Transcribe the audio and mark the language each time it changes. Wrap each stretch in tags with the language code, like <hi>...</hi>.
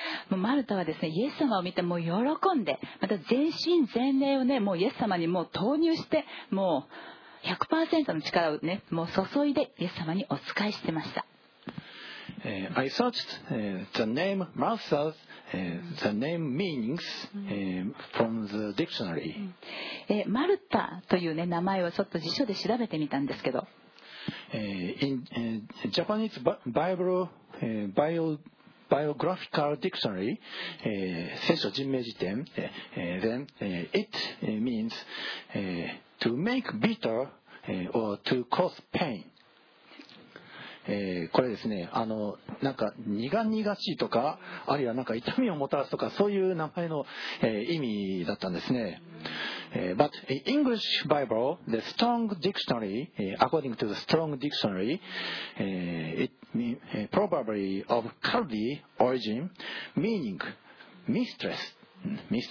<ja>もうマルタはですね、イエス様を見てもう喜んで、また全身全霊をね、もうイエス様にもう投入して、もう 100% の力をね、もう注いでイエス様にお仕えしてました。</ja> <en>I searched the name Martha, the name meanings from the dictionary.</en> <ja>マルタという、ね、名前をちょっと辞書で調べてみたんですけど。</ja> <en>In Japanese Bible, Biographical Dictionary, 聖書人名辞典、then it means to make bitter or to cause pain.</en> <ja>これですね、なんか苦々しいとか、あるいはなんか痛みをもたらすとか、そういう名前の、意味だったんですね。</ja> <en>But English Bible, the Strong Dictionary, according to the Strong Dictionary, it probably of Chaldean origin, meaning mistress, mistress.</en>